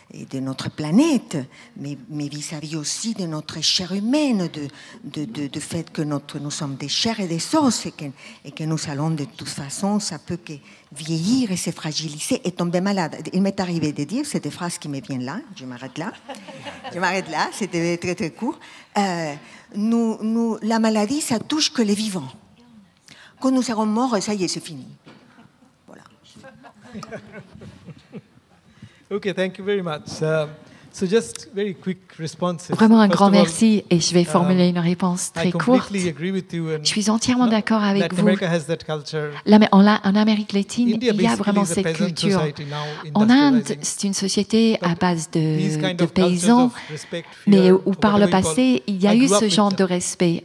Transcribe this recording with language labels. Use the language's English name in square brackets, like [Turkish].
[French] de notre planète, mais vis-à-vis aussi de notre chair humaine, de fait que nous sommes des chairs et des os, et que nous allons de toute façon, ça peut que vieillir et se fragiliser et tomber malade. Il m'est arrivé de dire, c'est des phrases qui me viennent là, je m'arrête là, c'était très très court, la maladie, ça touche que les vivants. Quand nous serons morts, ça y est, c'est fini. Voilà. [English] Okay, thank you very much. So just very quick responses. [French] Vraiment un grand merci et je vais formuler une réponse très courte. Je suis entièrement d'accord avec vous. En Amérique latine, il y a vraiment cette culture. En Inde, c'est une société à base de paysans, mais où par le passé, il y a eu ce genre de respect.